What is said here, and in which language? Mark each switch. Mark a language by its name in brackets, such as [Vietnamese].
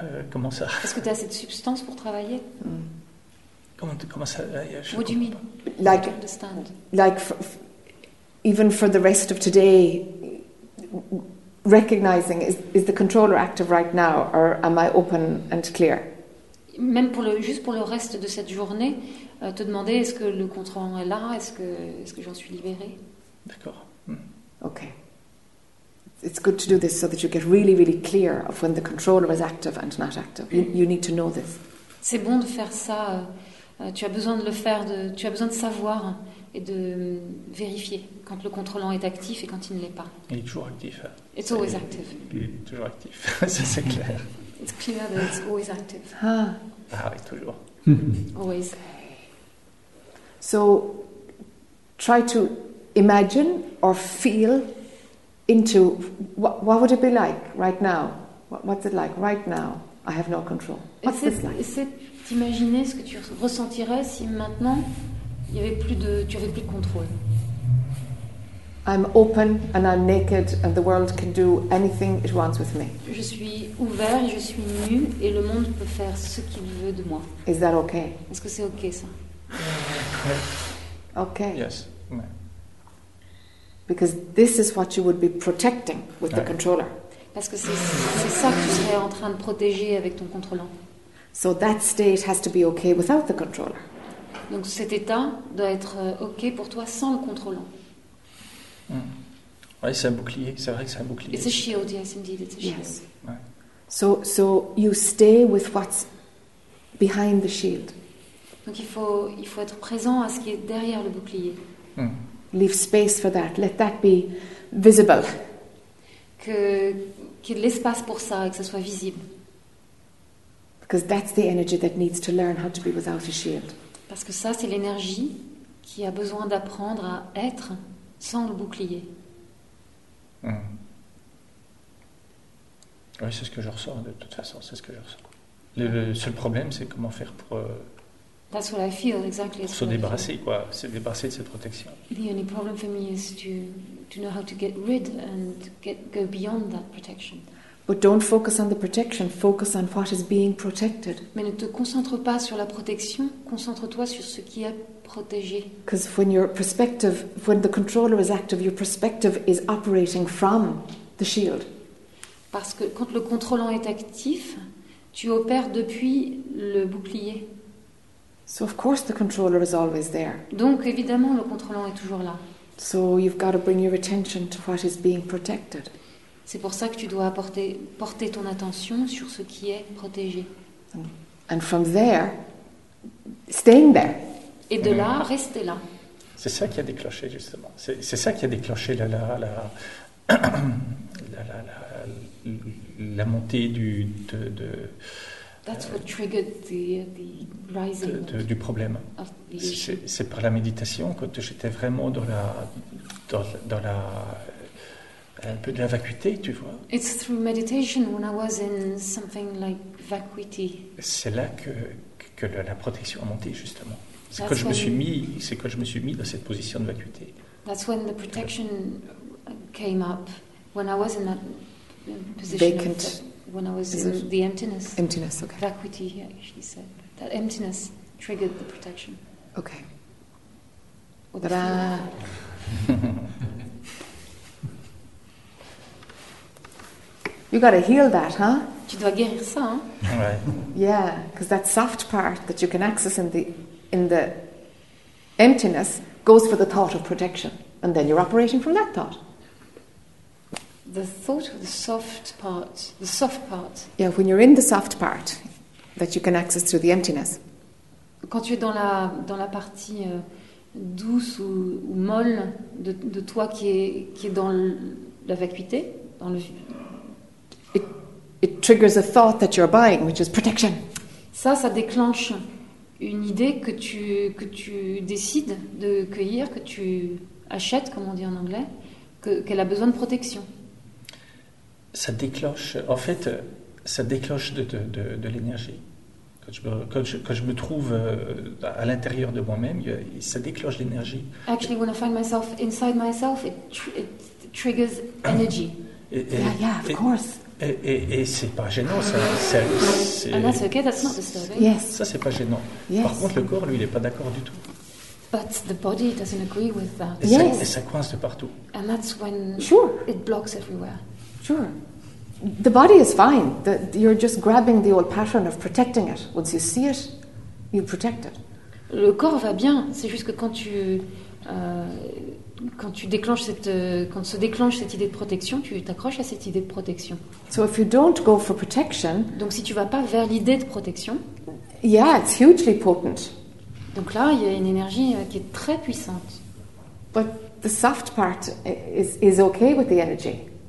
[French] Comment ça? Est-ce que tu as assez de substance pour travailler? Comment ça? [English] What do you mean? Like, understand. Like even for the rest of today, recognizing is the controller active right now or am I open and clear? [French] Même pour le reste de cette journée, te demander est-ce que le contrôleur est là? Est-ce que j'en suis libérée? D'accord. [English] Okay. It's good to do this so that you get really, really clear of when the controller is active and not active. You need to know this. [French] C'est bon de faire ça. Tu as besoin de le faire. Tu as besoin de savoir et de vérifier quand le contrôlant est actif et quand il ne l'est pas. Il est toujours actif. [English] It's always active. [French] Il est toujours actif. Ça, c'est clair. [English] It's clear that it's always active. [French] Ah oui, toujours. [English] Always. So, try to imagine or feel into what would it be like right now? What's it like right now? I have no control. What's this like? [French] Essaye d'imaginer ce que tu ressentirais si maintenant tu avais plus de contrôle. [English] I'm open and I'm naked and the world can do anything it wants with me. [French] Je suis ouvert, je suis nu et le monde peut faire ce qu'il veut de moi. [English] Is that okay? [French] Est-ce que c'est okay ça? [English] Okay. Yes. Because this is what you would be protecting with the controller. [French] Parce que c'est ça que tu serais en train de protéger avec ton contrôlant. [English] So that state has to be okay without the controller. [French] Donc cet état doit être ok pour toi sans le contrôlant. Mm. Oui, c'est un bouclier. C'est vrai que c'est un bouclier. [English] It's a shield, yes, indeed, it's a shield. Yes. So you stay with what's behind the shield. [French] Donc il faut être présent à ce qui est derrière le bouclier. [English] Mm. Leave space for that. Let that be visible. [French] Qu'il y ait de l'espace pour ça et que ça soit visible. [English] Because that's the energy that needs to learn how to be without a shield. [French] Parce que ça, c'est l'énergie qui a besoin d'apprendre à être sans le bouclier. Mm. Oui, c'est ce que je ressens, de toute façon, c'est ce que je ressens. Le seul problème, c'est comment faire pour... [English] That's what I feel, exactly. [French] Pour se débarrasser, quoi. Se débarrasser de cette protection. [English] The only problem for me is to know how to get rid and go beyond that protection. But don't focus on the protection, focus on what is being protected. [French] Mais ne te concentre pas sur la protection, concentre-toi sur ce qui est protégé. [English] Because when your perspective, when the controller is active, your perspective is operating from the shield. [French] Parce que quand le contrôlant est actif, tu opères depuis le bouclier. [English] So of course the controller is always there. [French] Donc évidemment le contrôlant est toujours là. [English] So you've got to bring your attention to what is being protected. [French] C'est pour ça que tu dois porter ton attention sur ce qui est protégé. [English] And from there, staying there. [French] Et de là, rester là. C'est ça qui a déclenché justement. C'est ça qui a déclenché la montée du de [English] That's what triggered the rising [French] du problème. C'est par la méditation quand j'étais vraiment dans la un peu de la vacuité, tu vois. [English] It's through meditation when I was in something like vacuity. [French] C'est là que la protection a monté justement. C'est quand je me suis mis dans cette position de vacuité. [English] That's when the protection came up when I was in that position. Vacant. When I was in the emptiness. Emptiness, okay. Vacuity, she said. That emptiness triggered the protection. Okay. Ta-da. You got to heal that, huh? [French] Tu dois guérir ça, hein? Ouais. [English] Yeah, because that soft part that you can access in the emptiness goes for the thought of protection, and then you're operating from that thought. The thought of the soft part. Yeah, when you're in the soft part that you can access through the emptiness. [French] Quand tu es dans la partie douce ou molle de toi qui est dans la vacuité, dans le [English] It triggers a thought that you're buying, which is protection. [French] Ça déclenche une idée que tu décides de cueillir, que tu achètes, comme on dit en anglais, qu'elle a besoin de protection. Ça déclenche, en fait, ça déclenche de l'énergie. Quand je me trouve à l'intérieur de moi-même, ça déclenche l'énergie. [English] Actually, when I find myself inside myself, it triggers energy. Of course. [French] Et c'est pas gênant, ça. Ça c'est pas gênant. [English] Yes. [French] Par contre, le corps, lui, il est pas d'accord du tout. [English] But the body doesn't agree with that. Yes. [French] Et ça coince de partout. [English] And that's when it blocks everywhere. Sure. The body is fine. You're just grabbing the old pattern of protecting it. Once you see it, you protect it. [French] Le corps va bien. C'est juste que quand se déclenche cette idée de protection, tu t'accroches à cette idée de protection. [English] So if you don't go for protection, [French] donc si tu vas pas vers l'idée de protection, [English] yeah, it's hugely potent. [French] Donc là, il y a une énergie qui est très puissante. [English] But the soft part is okay with the energy.